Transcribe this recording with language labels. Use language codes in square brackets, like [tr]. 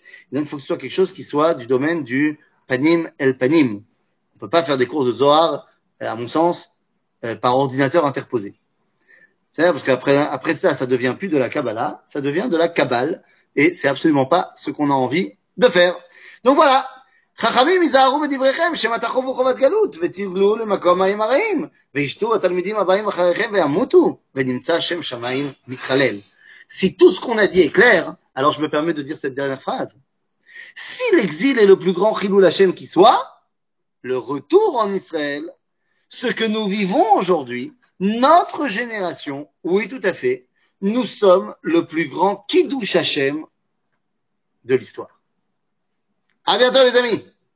[fr] Donc, il faut que ce soit quelque chose qui soit du domaine du panim el panim. On ne peut pas faire des cours de Zohar, à mon sens, par ordinateur interposé. C'est-à-dire parce qu'après ça, ça ne devient plus de la Kabbalah, ça devient de la Kabbale et ce n'est absolument pas ce qu'on a envie de faire. Donc, voilà. [he] חכמים יזהרו בדבריכם שמתחו בחובת גלות ותגלו למקום מים הרעים וישתו התלמידים הבאים אחריכם וימותו ונמצא שם שמיים מתחלל. [fr] Si tout ce qu'on a dit est clair, alors je me permets de dire cette dernière phrase. Si l'exil est le plus grand chilul Hashem qui soit, le retour en Israël, ce que nous vivons aujourd'hui, notre génération, oui tout à fait, nous sommes le plus grand kiddush Hashem de l'histoire. À bientôt les amis.